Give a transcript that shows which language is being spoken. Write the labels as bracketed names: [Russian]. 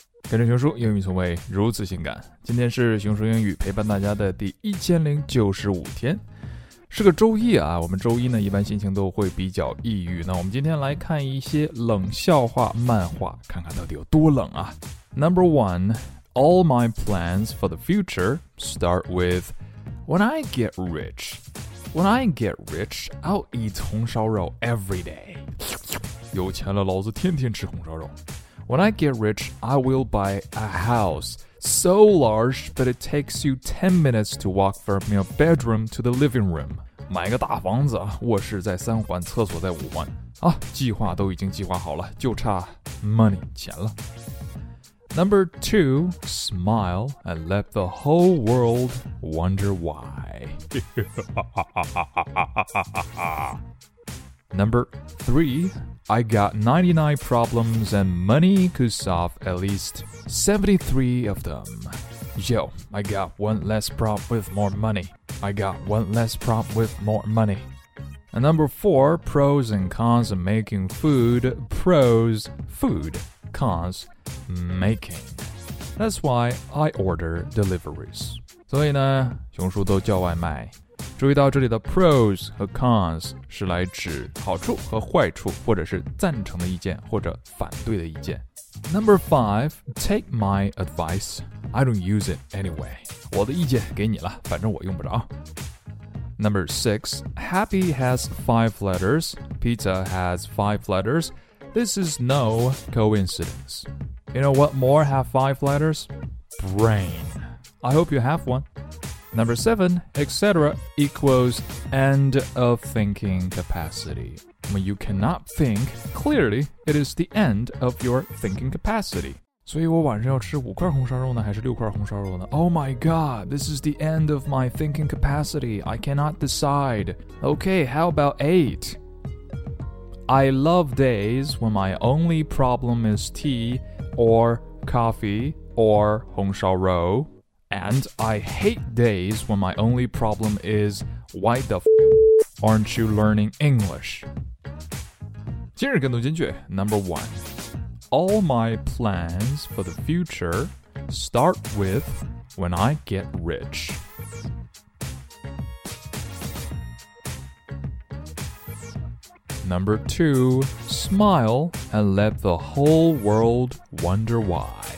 [Chinese] 跟着熊叔英语从未如此性感。今天是熊叔英语陪伴大家的第1095天，是个周一啊。我们周一呢一般心情都会比较抑郁，那我们今天来看一些冷笑话漫画，看看到底有多冷啊。 [English] Number one, all my plans for the future start with when I get rich. When I get rich, I'll eat 红烧肉 every day. [Chinese] 有钱了老子天天吃红烧肉。 [English] When I get rich, I will buy a house so large that it takes you 10 minutes to walk from your bedroom to the living room. [Chinese] 买个大房子，卧室在三环，厕所在五环。啊，计划都已经计划好了，就差 money, 钱了。 [English] Number two, smile and let the whole world wonder why. Number three,I got 99 problems and money could solve at least 73 of them. Yo, I got one less problem with more money. I got one less problem with more money. And number four, pros and cons of making food. Pros, food, cons, making. That's why I order deliveries. [Chinese] 所以呢，熊叔都叫外卖。注意到这里的 pros 和 cons 是来指好处和坏处，或者是赞成的意见或者反对的意见。 [English] Number 5, take my advice, I don't use it anyway. [Chinese] 我的意见给你了，反正我用不着。 [English] Number 6, happy has 5 letters, pizza has 5 letters, this is no coincidence. You know what more have 5 letters? Brain. I hope you have one. Number 7, etc. equals end of thinking capacity. When you cannot think, clearly it is the end of your thinking capacity. [Chinese] 所以我晚上要吃五块红烧肉呢，还是六块红烧肉呢？ [English] Oh my god, this is the end of my thinking capacity. I cannot decide. Okay, how about 8? I love days when my only problem is tea or coffee or 红烧肉。 And I hate days when my only problem is why the f*** aren't you learning English? [Chinese] 今日跟读金句 [English] Number 1 All my plans for the future start with when I get rich. Number 2 Smile and let the whole world wonder why.